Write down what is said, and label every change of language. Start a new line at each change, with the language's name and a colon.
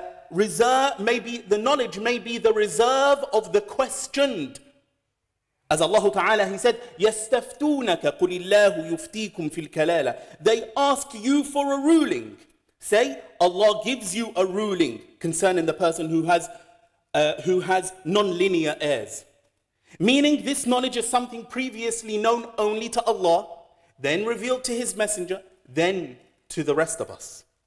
English: The knowledge may be the reserve of the questioned. As Allah Ta'ala, he said,
Arabic: يَسْتَفْتُونَكَ قُلِ اللَّهُ يُفْتِيكُمْ فِي الْكَلَالَةِ.
English: They ask you for a ruling. Say, Allah gives you a ruling concerning the person who has non-linear heirs. Meaning this knowledge is something previously known only to Allah, then revealed to his messenger, then to the rest of us.